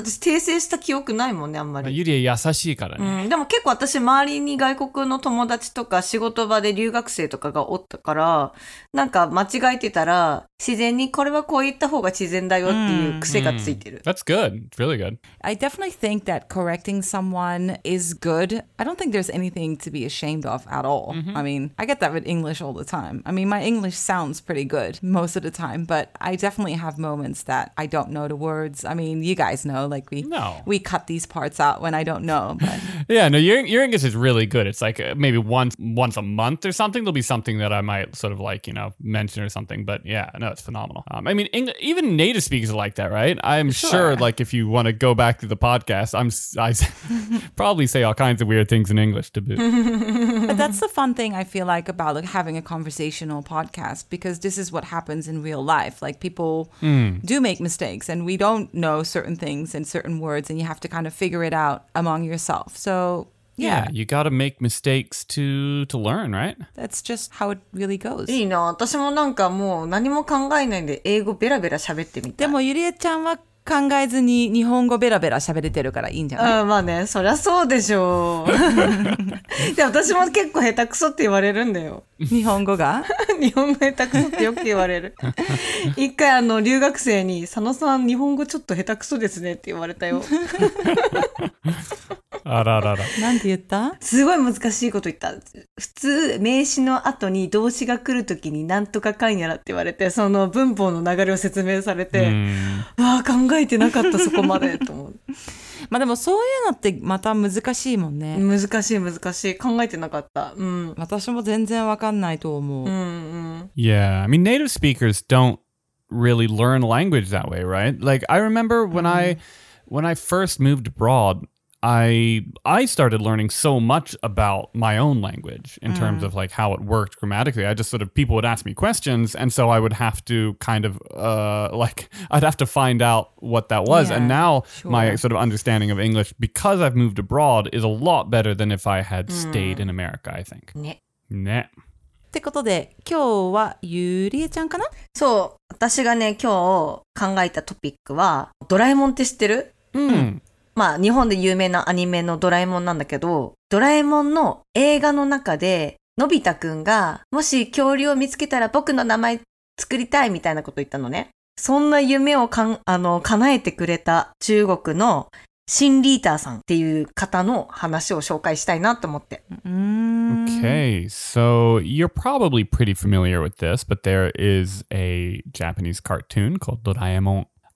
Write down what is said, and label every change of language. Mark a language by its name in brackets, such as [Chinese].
[Japanese] 私訂正した記憶ないもんね、あんまり。ユリア優しいからね。うん。でも結構私周りに外国の友達とか仕事場で留学生とかがおったから、なんか間違えてたら自然にこれはこう言った方が自然だよっていう癖がついてる。 [English] Mm-hmm. That's good. It's really good. I definitely think that correcting someone is good. I don't think there's anything to be ashamed of at all. Mm-hmm. I mean, I get that with English all the time. I mean, my English sounds pretty good most of the time, but I definitely have moments that I don't know the words. I mean, you guys know, like we cut these parts out when I don't know. But. Yeah, no, your English is really good. It's like maybe once a month or something, there'll be something that I might sort of like, you know, mention or something. But yeah, no, it's phenomenal. I mean, even native speakers are like that, right? I'm sure like if you want to go back to the podcast, I probably say all kinds of weird things in English to boot. But that's the fun thing I feel like about like having a conversational podcast, because this is what happens in real life. Like people do make mistakes. And we don't know certain things and certain words, and you have to kind of figure it out among yourself. So, yeah. You got to make mistakes to learn, right? That's just how it really goes. [Japanese] いいな。私もなんかもう何も考えないんで英語ベラベラ喋ってみたい。でもゆりえちゃんは考えずに日本語ベラベラ喋れてるからいいんじゃない？うん、まあね、そりゃそうでしょう。で、私も結構下手くそって言われるんだよ。日本語が？日本語下手くそってよく言われる。一回留学生に、佐野さん日本語ちょっと下手くそですねって言われたよ。あらあらあら。なんて言った？すごい難しいこと言った。普通、名詞の後に動詞が来るときに何とかかんやらって言われて、その文法の流れを説明されて、わあ、考えてなかった、そこまで、と思う。まあでもそういうのってまた難しいもんね。難しい難しい。考えてなかった。うん。私も全然わかんないと思う。うんうん。 [English] Yeah, I mean, native speakers don't really learn language that way, right? Like, I remember when I first moved abroad, I started learning so much about my own language in terms of like how it worked grammatically. I just sort of, people would ask me questions, and so I would have to kind of I'd have to find out what that was. Yeah, and now my sort of understanding of English, because I've moved abroad, is a lot better than if I had stayed in America, I think. [Japanese] ね。ね。ってことで、今日はゆりえちゃんかな？そう、私がね、今日考えたトピックは、ドラえもんって知ってる？まあ、日本で有名なアニメのドラえもんなんだけど、ドラえもんの映画の中で、のび太くんが、もし恐竜を見つけたら僕の名前作りたいみたいなこと言ったのね。そんな夢を叶えてくれた中国のシン・リーターさんっていう方の話を紹介したいなと思って。 [English] Okay, so you're probably pretty familiar with this, but there is a Japanese cartoon called ドラえもん。